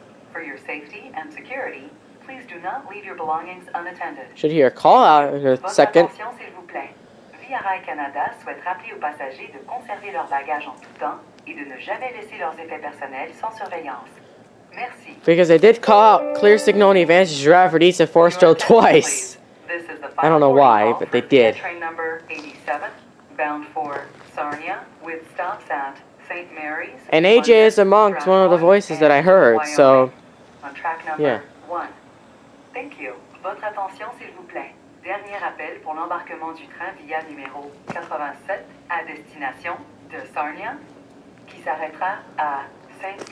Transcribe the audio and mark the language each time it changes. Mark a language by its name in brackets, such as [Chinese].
[English] For your safety and security, please do not leave your belongings unattended. Should hear a call out in a second. [French] Attention, s'il vous plaît. Via Rail Canada souhaite rappeler aux passagers de conserver leur bagage en tout temps et de ne jamais laisser leurs effets personnels sans surveillance. Merci. [English] Because they did call out clear signal and advantage driver at Eastern Forest Trail twice. I don't know why, but they did. Train number 87, bound for Sarnia, with stops at St. Mary's. And AJ is amongst one of the voices that I heard, so... On track number one. Thank you. [French] Votre attention, s'il vous plaît. Dernier appel pour l'embarquement du train via numéro 87 à destination de Sarnia, qui s'arrêtera à St.